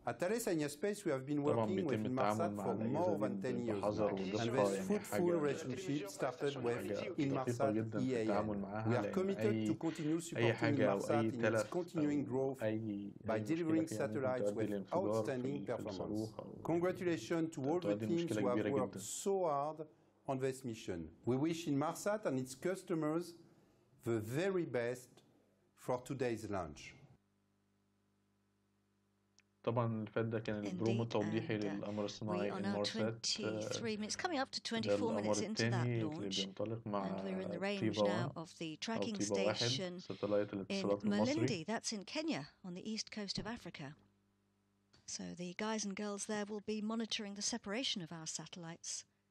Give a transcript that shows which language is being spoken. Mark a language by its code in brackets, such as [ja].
[en] At Thales Alenia Space, we have been working with Inmarsat for more than 10 years and this fruitful relationship started with Inmarsat We are committed to continue supporting Inmarsat in its continuing growth by delivering satellites with outstanding performance. Congratulations to all the teams who have worked so hard on this mission. We wish Inmarsat and its customers the very best for today's launch. [ar] طبعاً اللي فات ده كان البرومو التوضيحي للقمر الصناعي إنمارسات [en] It's coming up to 24 minutes into that launch and we're in the range now of the tracking station in Malindi, that's in Kenya on the east coast of Africa. So the guys and girls there will be monitoring the separation of our satellites.